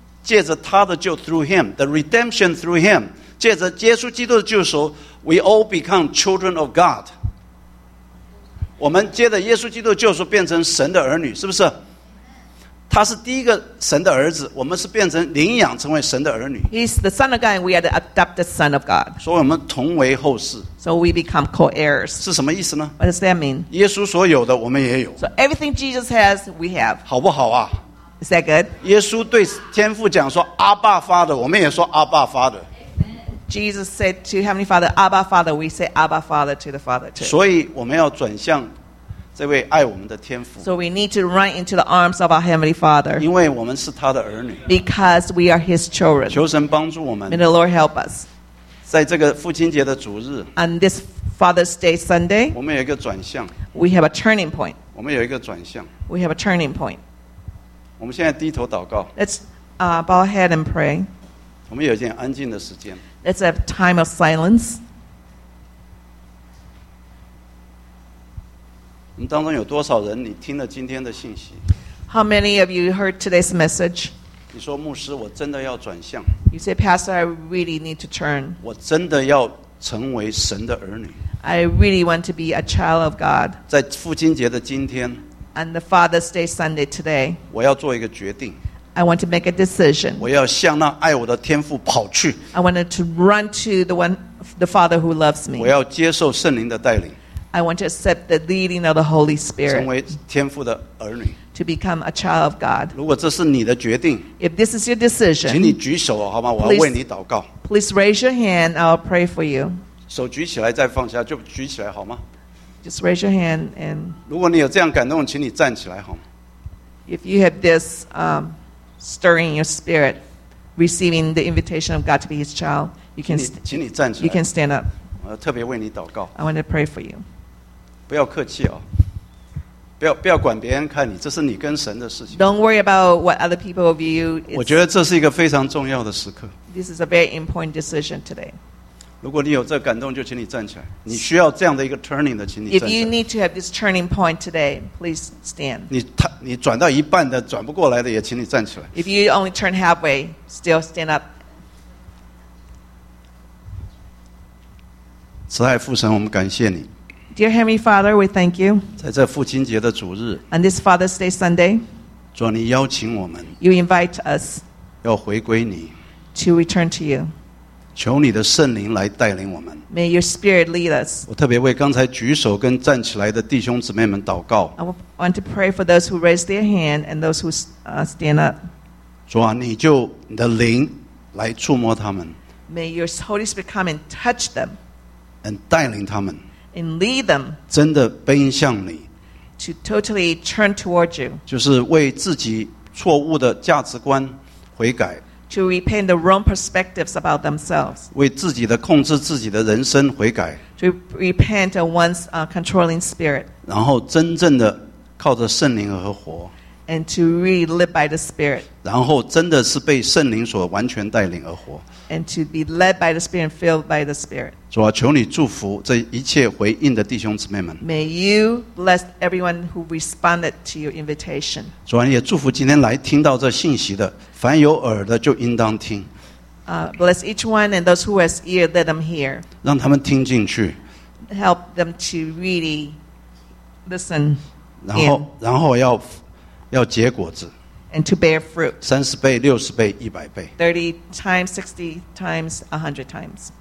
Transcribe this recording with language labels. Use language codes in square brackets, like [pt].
[zh] 借着他的救, [en] through him, the redemption through him. [zh] 借着耶稣基督的救赎, [en] we all become children of God. [zh] 我们借着耶稣基督的救赎变成神的儿女, 是不是?他是第一个神的儿子, 我们是变成领养成为神的儿女。 [en] He's the son of God and we are the adopted son of God. [zh] 所以我们同为后世。 [en] So we become co-heirs. [zh] 是什么意思呢? [en] What does that mean? [zh] 耶稣所有的我们也有。 [en] So everything Jesus has, we have. [zh] 好不好啊? [en] Is that good? [zh] 耶稣对天父讲说, Abba Father, 我们也说 Abba Father。 [en] Jesus said to Heavenly Father, Abba Father, we say Abba Father to the Father too. [zh] 所以我们要转向 这位爱我们的天父, [en] so we need to run into the arms of our Heavenly Father. Because we are His children. [zh] 求神帮助我们, [en] May the Lord help us. [zh] 在这个父亲节的主日, [en] on this Father's Day Sunday, [zh] 我们有一个转向, [en] we have a turning point. [zh] 我们有一个转向, [en] we have a turning point. [zh] 我们现在低头祷告, [en] let's bow our head and pray. [zh] 我们有一点安静的时间, [en] let's have a time of silence. [zh] 我们当中有多少人你听了今天的信息? [en] How many of you heard today's message? [zh] 你说牧师我真的要转向。 [en] You say, Pastor, I really need to turn. [zh] 我真的要成为神的儿女。 [en] I really want to be a child of God. [zh] 在父亲节的今天, [en] on the Father's Day Sunday today, [zh] 我要做一个决定。 [en] I want to make a decision. [zh] 我要向那爱我的天父跑去。 [en] I wanted to run to the Father who loves me. [zh] 我要接受圣灵的带领。 [en] I want to accept the leading of the Holy Spirit to become a child of God. [zh] 如果这是你的决定, [en] if this is your decision, [zh] 请你举手好吗?我要为你祷告。 [en] Please raise your hand, I'll pray for you. [zh] 手举起来再放下, 就举起来好吗? [en] Just raise your hand and [zh] 如果你有这样感动, 请你站起来好吗? [en] If you have this stirring in your spirit, receiving the invitation of God to be His child, you can, [zh] 请你站起来, [en] you can stand up. [zh] 特别为你祷告。 [en] I want to pray for you. [zh] 不要客气哦, 不要管别人看你, 这是你跟神的事情。 [en] Don't worry about what other people view. [zh] 我觉得这是一个非常重要的时刻。 [en] This is a very important decision today. [zh] 如果你有这感动, 就请你站起来。你需要这样的一个 turning 的, 请你站起来。 [en] If you need to have this turning point today, please stand. [zh] 你转到一半的, 转不过来的, 也请你站起来。 [en] If you only turn halfway, still stand up. [zh] 慈爱父神, 我们感谢你。 [en] Dear Heavenly Father, we thank you. [zh] 在这父亲节的主日, [en] on this Father's Day Sunday, [zh] 主, 你邀请我们, [en] you invite us [zh] 要回归你, [en] to return to you. [zh] 求你的圣灵来带领我们。 [en] May your Spirit lead us. [zh] 我特别为刚才举手跟站起来的弟兄姊妹们祷告。 [en] I want to pray for those who raise their hand and those who stand up. [zh] 主, 你就你的灵来触摸他们。 [en] May your Holy Spirit come and touch them. [zh] And 带领他们, [en] and lead them [zh] 真的奔向你, [en] to totally turn towards you, [zh] 就是为自己错误的价值观 悔改, [en] to repent the wrong perspectives about themselves, [zh] 为自己的控制自己的人生 悔改, [en] to repent of one's controlling spirit, [zh] 然后真正的靠着圣灵而活, [en] and to really live by the Spirit, [zh] 然后真的是被圣灵所完全带领而活, [en] and to be led by the Spirit and filled by the Spirit. [zh] 主啊, 求你祝福这一切回应的弟兄姊妹们。 [en] May you bless everyone who responded to your invitation. [zh] 主啊, 也祝福今天来听到这信息的, 凡有耳的就应当听。 [en] Bless each one and those who has ear, let them hear. [zh] 让他们听进去。 [en] Help them to really listen. [zh] 然后要结果子。 [en] And to bear fruit. [zh] 30倍, 60倍, 100倍。 [en] 30 times, 60 times, 100 times.